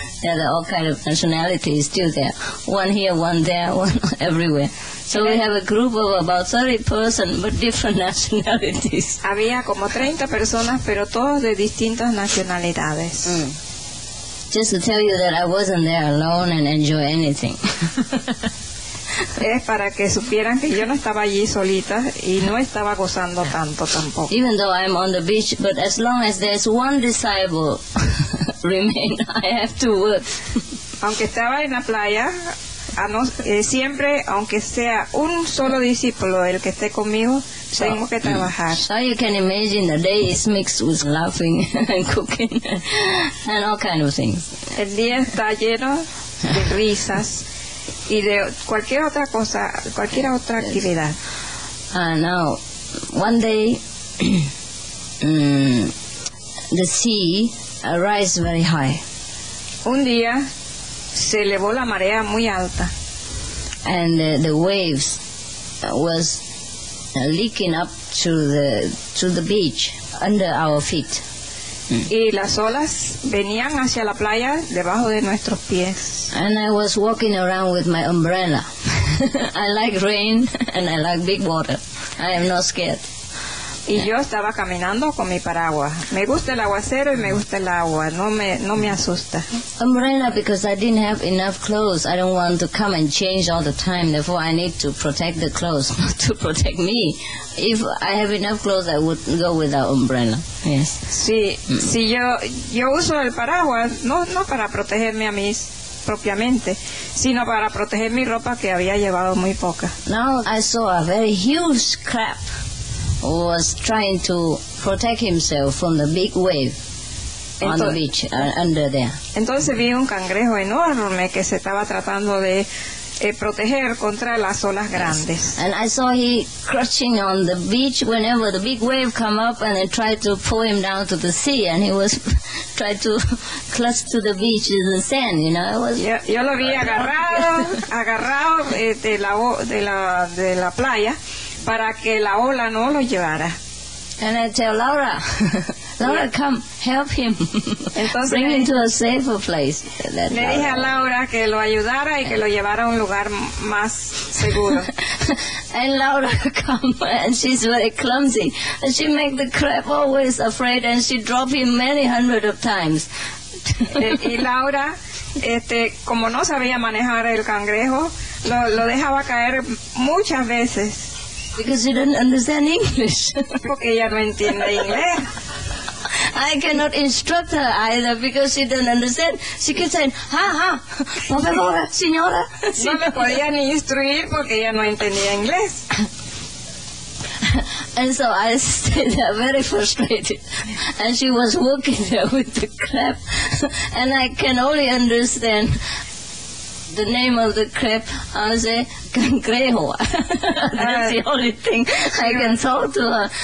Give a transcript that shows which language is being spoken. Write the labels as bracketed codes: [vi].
[en] There are all kind of nationalities still there. One here, one there, one everywhere. So we have a group of about 30 persons, but different nationalities. [es] Había como 30 personas, pero todos de distintas nacionalidades. Mm. [en] Just to tell you that I wasn't there alone and enjoy anything. [es] Es para que supieran que yo no estaba allí solita y no estaba gozando tanto tampoco. [en] Even though I'm on the beach, but as long as there's one disciple remain, I have to work. [es] Aunque estaba en la playa, siempre, aunque sea un solo discípulo el que esté conmigo, tengo que trabajar. [en] So you can imagine the day is mixed with laughing and cooking and all kind of things. [es] El día está lleno de risas y de cualquier otra cosa, cualquier otra actividad. [en] Now, one day, the sea arises very high. [es] Un día se elevó la marea muy alta. [en] And the waves was leaking up to the beach under our feet. [es] Y las olas venían hacia la playa debajo de nuestros pies. [en] And I was walking around with my umbrella. I like rain and I like big water. I am not scared. [es] Y yo estaba caminando con mi paraguas. Me gusta el aguacero y me gusta el agua. No me asusta. [en] Umbrella because I didn't have enough clothes. I don't want to come and change all the time. Therefore, I need to protect the clothes, not to protect me. If I have enough clothes, I would go without umbrella. Yes. [es] Si yo uso el paraguas no para protegerme a mí propiamente, sino para proteger mi ropa que había llevado muy poca. [en] Now I saw a very huge crab. Was trying to protect himself from the big wave on the beach, under there. [es] Entonces vi un cangrejo enorme que se estaba tratando de proteger contra las olas grandes. [en] Yes. And I saw he crouching on the beach whenever the big wave come up and they tried to pull him down to the sea and he was tried to clutch to the beach in the sand, you know. [es] Yo lo vi agarrado de la playa para que la ola no lo llevara. [en] And I tell Laura, Laura, yeah, come, help him. [es] Entonces, [en] bring him to a safer place. [es] Le dije a Laura que lo ayudara y que lo llevara a un lugar más seguro. [en] And Laura come, and she's very clumsy. And she make the crab always afraid, and she drop him many hundred of times. [es] Y Laura, como no sabía manejar el cangrejo, lo dejaba caer muchas veces. [en] Because you don't understand English. [es] Porque ella no entiende inglés. [en] I cannot instruct her either because she doesn't understand. She keeps saying, ha, ha, [es] por favor, señora. No me podía ni instruir porque ella no entendía inglés. [en] And so I stayed there very frustrated. And she was working there with the crab. And I can only understand the name of the crab as a cangrejo. That's the only thing I can talk to her.